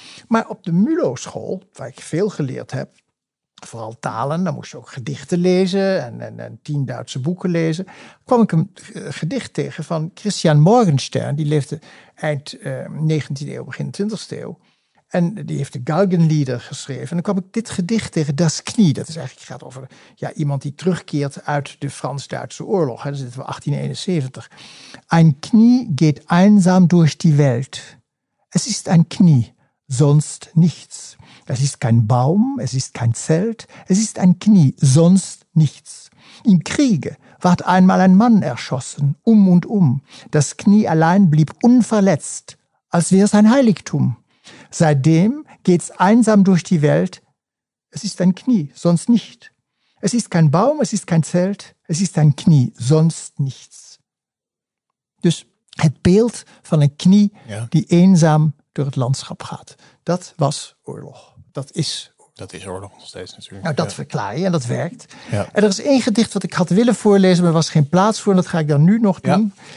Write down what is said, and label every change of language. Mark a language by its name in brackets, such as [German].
[Dutch] Maar op de Mulo-school, waar ik veel geleerd heb, vooral talen, dan moest je ook gedichten lezen en 10 Duitse boeken lezen, kwam ik een gedicht tegen van Christian Morgenstern. Die leefde eind 19e eeuw, begin 20e eeuw. En die heeft de Galgenlieder geschreven. En dan kwam ik dit gedicht tegen, Das Knie. Dat is eigenlijk, gaat over ja, iemand die terugkeert uit de Frans-Duitse oorlog. Dan zitten we 1871. [German] Ein Knie geht einsam durch die Welt. Es ist ein Knie, sonst nichts. Es ist kein Baum, es ist kein Zelt. Es ist ein Knie, sonst nichts. Im Kriege ward einmal ein Mann erschossen, und um. Das Knie allein blieb unverletzt, als wäre es ein Heiligtum. Seitdem geht's einsam durch die Welt. Es ist ein Knie, sonst nicht. Es ist kein Baum, es ist kein Zelt. Es ist ein Knie, sonst nichts. [Dutch] Dus het beeld van een knie die eenzaam door het landschap gaat. Dat was oorlog. Dat is oorlog. Dat is oorlog nog steeds natuurlijk. Nou, dat verklaar je en dat werkt. Ja. En er is één gedicht wat ik had willen voorlezen, maar er was geen plaats voor. En dat ga ik dan nu nog doen. Ja.